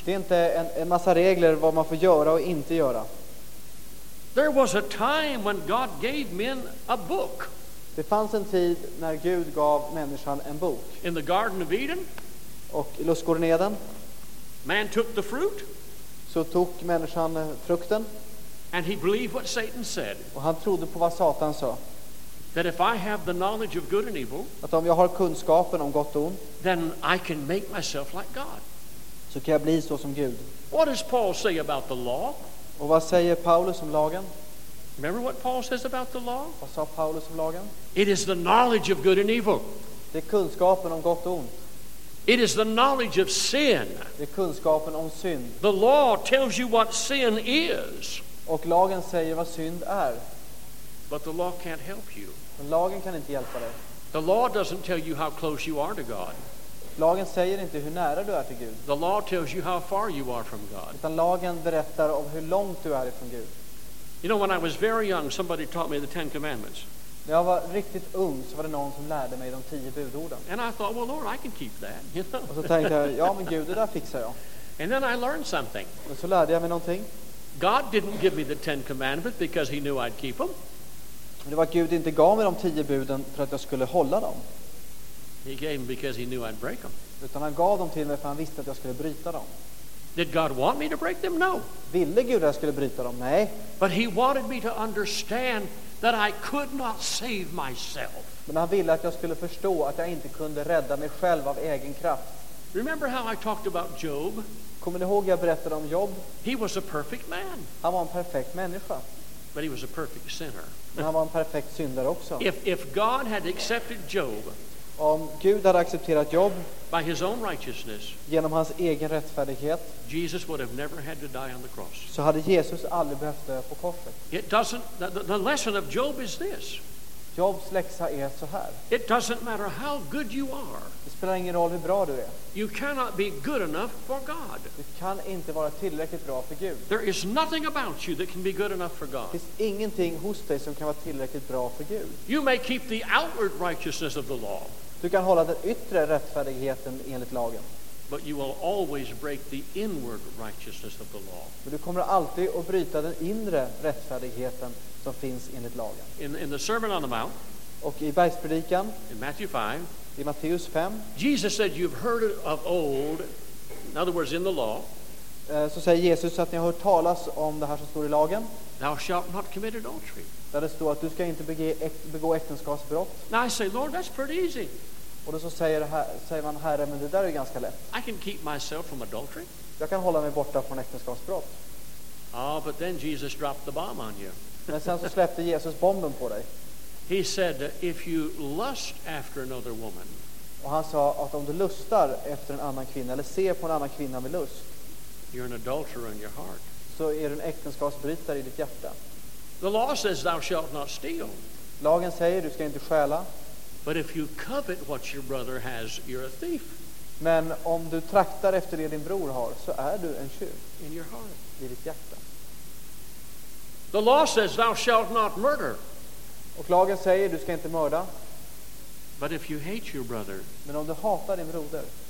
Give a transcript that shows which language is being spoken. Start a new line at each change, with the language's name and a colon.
Swedish: Det är inte en massa regler vad man får göra och inte göra.
English: There was a time when God gave men a book.
Swedish: Det fanns en tid när Gud gav människan en bok.
English: In the Garden of Eden.
Swedish: Och i lustgården Eden.
English: Man took the fruit.
Swedish: Så tog människan frukten.
English: And he believed what Satan said.
Swedish: Och han trodde på vad Satan sa.
English: That if I have the knowledge of good and evil.
Swedish: Att om jag har kunskapen om gott och ont.
English: Then I can make myself like God.
Swedish: Så kan jag bli så som Gud.
English: What does Paul say about the law?
Swedish: Och vad säger Paulus om lagen?
English: Remember what Paul says about the law?
Swedish: Vad sa Paulus om lagen?
English: It is the knowledge of good and evil.
Swedish: Det är kunskapen om gott och ont.
English: It is the knowledge of sin.
Swedish: Det är kunskapen om synd.
English: The law tells you what sin is.
Swedish: Och lagen säger vad synd är.
English: But the law can't help you.
Swedish: Men lagen kan inte hjälpa dig.
English: The law doesn't tell you how close you are to God.
Swedish: Lagen säger inte hur nära du är till Gud.
English: The law tells you how far you are from God.
Swedish: Utan lagen berättar om hur långt du är ifrån Gud.
English: You know, when I was very young, somebody taught me the Ten Commandments.
Swedish: När jag var riktigt ung så var det någon som lärde mig de tio budorden.
English: And I thought, well, Lord, I can keep that.
Swedish: Och så tänkte jag, ja, men Gud, det där fixar jag.
English: And then I learned something.
Swedish: Och så lärde jag mig någonting.
English: God didn't give me the Ten Commandments because he knew I'd keep them.
Swedish: Det var Gud inte gav mig de 10 buden för att jag skulle hålla dem.
English: He gave them because he knew I'd break them.
Swedish: Utan han gav dem till mig för han visste att jag skulle bryta dem.
English: Did God want me to break them? No.
Swedish: Ville Gud att jag skulle bryta dem? Nej.
English: But he wanted me to understand that I could not save myself.
Swedish: Men han ville att jag skulle förstå att jag inte kunde rädda mig själv av egen kraft.
English: Remember how I talked about Job?
Swedish: Kommer ni ihåg jag berättade om Job?
English: He was a perfect man.
Swedish: Han var en perfekt människa.
English: But he was a perfect sinner.
Swedish: Men han var en perfekt syndare också.
English: If God had accepted Job,
Swedish: om Gud hade accepterat Job
English: by his own righteousness,
Swedish: genom hans egen rättfärdighet,
English: Jesus would have never had to die on the cross.
Swedish: Så hade Jesus aldrig behövt dö på korset.
English: It doesn't. The lesson of Job is this.
Swedish: Jobs läxa är så här.
English: It doesn't matter how good you are.
Swedish: Det spelar ingen roll hur bra du är.
English: You cannot be good enough for God.
Swedish: Du kan inte vara tillräckligt bra för Gud.
English: There is nothing about you that can be good enough for God.
Swedish: Det finns ingenting hos dig som kan vara tillräckligt bra för Gud.
English: You may keep the outward righteousness of the law.
Swedish: Du kan hålla den yttre rättfärdigheten enligt lagen.
English: But you will always break the inward righteousness of the law.
Swedish: Men du kommer alltid att bryta den inre rättfärdigheten som finns enligt lagen.
English: In the Sermon on the Mount,
Swedish: och i bergspredikan,
English: in Matthew 5,
Swedish: i Matteus 5,
English: Jesus said you've heard it of old, in other words in the law,
Swedish: så säger Jesus att ni har hört talas om det här som står i lagen.
English: Thou shalt not commit adultery.
Swedish: Där det står att du ska inte begå äktenskapsbrott.
English: Now I say, Lord, that's pretty easy.
Swedish: Och då så säger man, Herre, men det där är ganska lätt.
English: I can keep myself from adultery.
Swedish: Jag kan hålla mig borta från äktenskapsbrott.
English: Ah, but then Jesus dropped the bomb on you.
Swedish: Men sen så släppte Jesus bomben på dig.
English: He said, if you lust after another woman.
Swedish: Och han sa att om du lustar efter en annan kvinna eller ser på en annan kvinna med lust,
English: you're an adulterer in your heart.
Swedish: Så är du en äktenskapsbrytare i ditt hjärta.
English: The law says thou shalt not steal.
Swedish: Lagen säger du ska inte stjäla.
English: But if you covet what your brother has, you're a thief.
Swedish: Men om du traktar efter det din bror har, så är du en tjuv.
English: In your heart.
Swedish: I ditt hjärta.
English: The law says thou shalt not murder.
Swedish: Och lagen säger du ska inte mörda.
English: But if you hate your brother.
Swedish: Men om du hatar din broder.